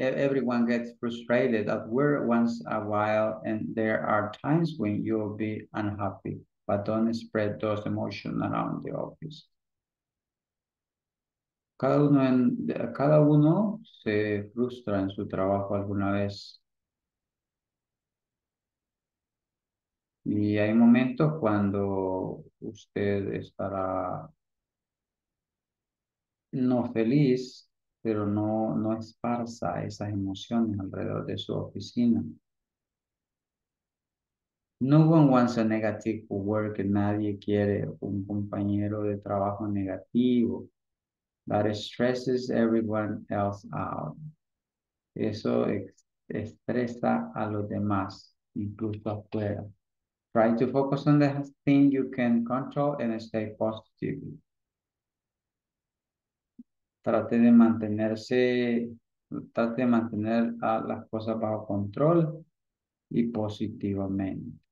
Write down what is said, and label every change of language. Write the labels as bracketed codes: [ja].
[en] Everyone gets frustrated at work once a while, and there are times when you'll be unhappy. But don't spread those emotions around the office. [es] Cada uno se frustra en su trabajo alguna vez. Y hay momentos cuando usted estará no feliz, pero no esparza esas emociones alrededor de su oficina. [en] No one wants a negative coworker. [es] Nadie quiere un compañero de trabajo negativo. [en] That stresses everyone else out. [es] Eso estresa a los demás, incluso afuera. [en] Try to focus on the thing you can control and stay positive. [es] Trate de mantener las cosas bajo control y positivamente.